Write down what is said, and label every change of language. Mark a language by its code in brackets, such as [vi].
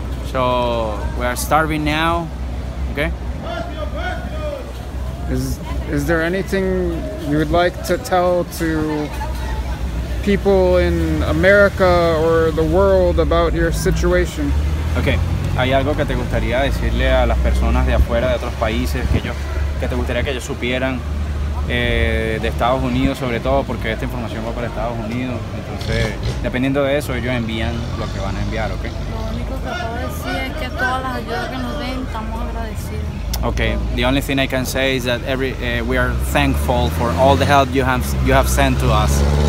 [en] So we are starving now. Okay. Is there anything you would like to tell to people in America or the world about your situation? Okay. [es] ¿Hay algo que te gustaría decirle a las personas de afuera, de otros países, que te gustaría que ellos supieran de Estados Unidos, sobre todo porque esta información va para Estados Unidos? Entonces, dependiendo de eso, ellos envían lo que van a enviar, ¿okay? Lo único que puedo decir es que todas las ayudas que nos den, estamos agradecidos. [en] Okay. The only thing I can say is that we are thankful for all the help you have sent to us.